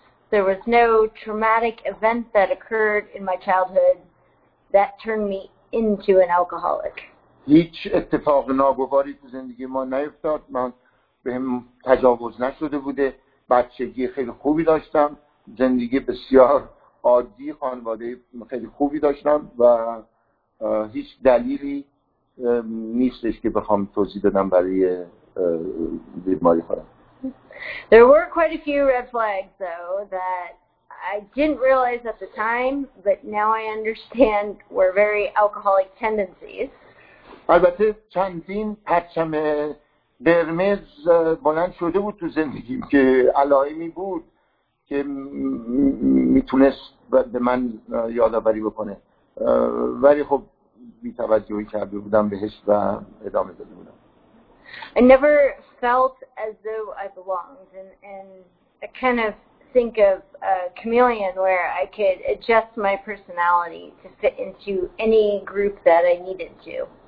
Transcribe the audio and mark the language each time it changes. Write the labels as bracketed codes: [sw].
[en] There was no traumatic event that occurred in my childhood that turned me into an alcoholic. [fa] هیچ اتفاق ناگواری تو زندگی ما نیفتاد. من بهم تجاوز نشده بوده. بچگی خیلی خوبی داشتم. زندگی بسیار عادی، خانواده خیلی خوبی داشتم و هیچ دلیلی نیستش که بخوام توضیح بدم برای بیماری خودم. [en] There were quite a few red flags though that I didn't realize at the time, but now I understand were very alcoholic tendencies. [fa] البته چندین پرچم قرمز بلند شده بود تو زندگیم که علائمی بود که میتونست به من یادآوری بکنه، ولی خب بی‌توجهی کرده بودم بهش و ادامه داده بودم. [en] I never felt as though I belonged and I kind of think of a chameleon where I could adjust my personality to fit into any group that I needed to.